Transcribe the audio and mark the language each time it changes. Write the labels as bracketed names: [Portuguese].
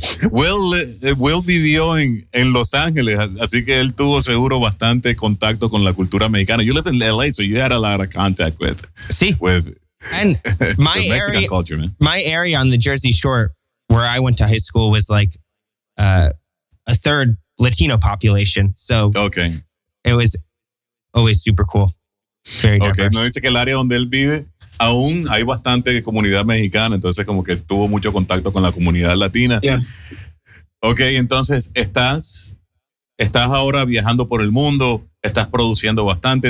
[Spanish] Will vivió en Los Ángeles, así que él tuvo seguro bastante contacto con la cultura mexicana. [English] You lived in LA, so you had a lot of contact with. [Spanish] Sí. [English] With and my the Mexican area, culture, man. My area on the Jersey Shore, where I went to high school, was like a third Latino population. So okay, it was. Always super cool. Very diverse. [Spanish] Okay, no dice que el área donde él vive, aún hay bastante comunidad mexicana, entonces como que tuvo mucho contacto con la comunidad latina. [English] Yeah. [Spanish] Okay, entonces estás ahora viajando por el mundo, estás produciendo bastante.